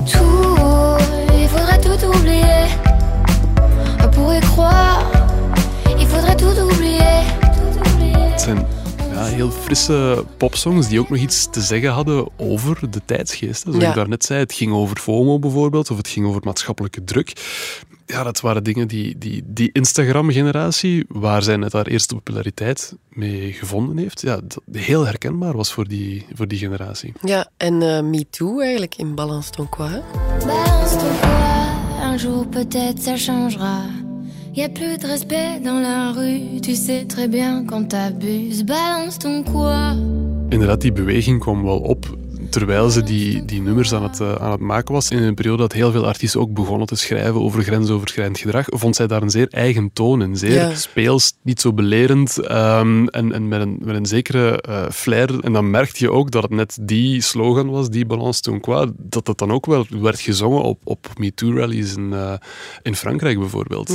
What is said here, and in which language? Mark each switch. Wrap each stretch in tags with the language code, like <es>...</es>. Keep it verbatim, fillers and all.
<fr>Tout, il faudrait tout oublier. Pour y croire, il faudrait tout oublier.</fr> <nl>Het zijn ja, heel frisse popsongs die ook nog iets te zeggen hadden over de tijdsgeest. Zoals ja. ik daarnet zei, het ging over FOMO bijvoorbeeld, of het ging over maatschappelijke druk. Ja, dat waren dingen die die, die Instagram-generatie, waar zij net haar eerste populariteit mee gevonden heeft, ja, dat heel herkenbaar was voor die, voor die generatie. Ja, en uh, Me Too eigenlijk in Balance ton quoi. Hè?</nl> <fr>Balance ton quoi, un jour peut-être ça changera. Y'a plus de respect dans la rue, tu sais très bien quand t'abuses, balance ton quoi.</fr> <nl>Inderdaad, die beweging kwam wel op. terwijl ze die, die nummers aan het, uh, aan het maken was, in een periode dat heel veel artiesten ook begonnen te schrijven over grensoverschrijdend gedrag, vond zij daar een zeer eigen toon in. Zeer ja. speels, niet zo belerend um, en, en met, een, met een zekere uh, flair. En dan merkte je ook dat het net die slogan was, die balance toen qua, dat dat dan ook wel werd gezongen op, op MeToo-rallies in, uh, in Frankrijk bijvoorbeeld.</nl>